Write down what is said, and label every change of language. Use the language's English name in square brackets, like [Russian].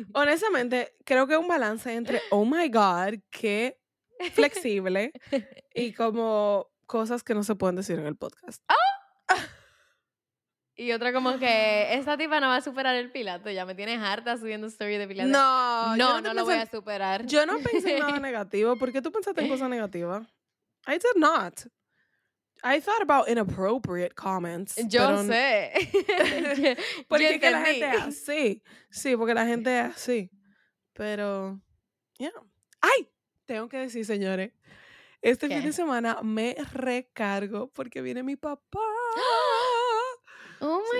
[Spanish] Honestamente, creo que un balance entre, oh my God, qué flexible, y como cosas que no se pueden decir en el podcast. ¡Oh! Y otra como que, esta tipa no va a superar el Pilato, ya me tienes harta subiendo story de Pilato. No, no lo voy a superar. Yo no pensé en nada negativo, ¿por qué tú pensaste en cosas negativas? I did not. [English] I thought about inappropriate comments. [Spanish] Yo sé. Porque que la gente es así. Sí, porque la gente es así. Pero, yeah. ¡Ay! Tengo que decir, señores. Este fin de semana me recargo porque viene mi papá. [English] Oh my